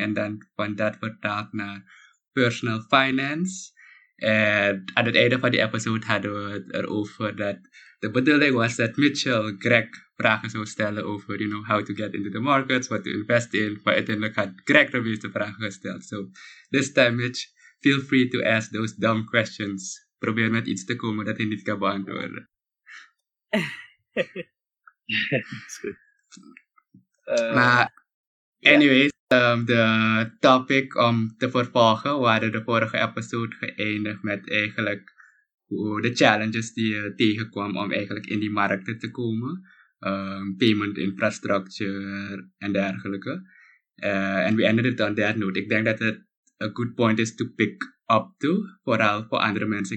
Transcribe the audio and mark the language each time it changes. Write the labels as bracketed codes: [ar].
[nl] En dan van dat vertaald naar personal finance. En aan het einde van die episode hadden we het erover dat de bedoeling was dat Mitchell Greg vragen zou stellen over, [en] you know, how to get into the markets, what to invest in. [nl] Maar uiteindelijk had Greg de meeste vragen gesteld. [en] So, this time Mitch, feel free to ask those dumb questions. [nl] Probeer met iets te komen dat hij niet kan beantwoorden. Maar anyways, de topic om te vervolgen, we hadden de vorige episode geëindigd met eigenlijk de challenges die je tegenkwam om eigenlijk in die markten te komen, payment infrastructure en dergelijke, [en] and we ended it on that note. [nl] Ik denk dat het [en] a good point is to pick up to, [nl] vooral voor andere mensen.